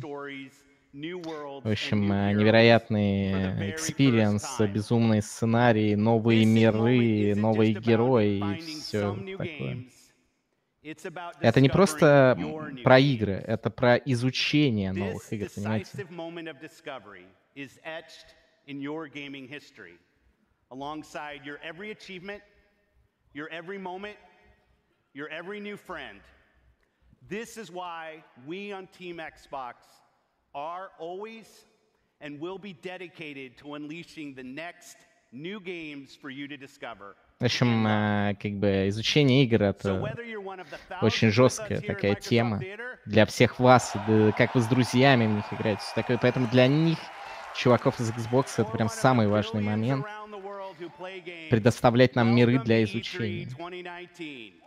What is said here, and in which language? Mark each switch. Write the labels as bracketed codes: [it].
[ru] В общем, невероятные экспириенсы, безумные сценарии, новые миры, новые герои и все такое. Это не просто про игры, это про изучение новых игр, понимаете? [en] Your every moment, your every new friend. This is why we on Team Xbox are always and will be dedicated to unleashing the next new games for you to discover. [ru] В общем, как бы изучение игр — это очень жесткая такая тема для всех вас, как вы с друзьями в них играете. Такое, поэтому для них, чуваков из Xbox, это прям самый важный момент. Предоставлять нам миры для изучения.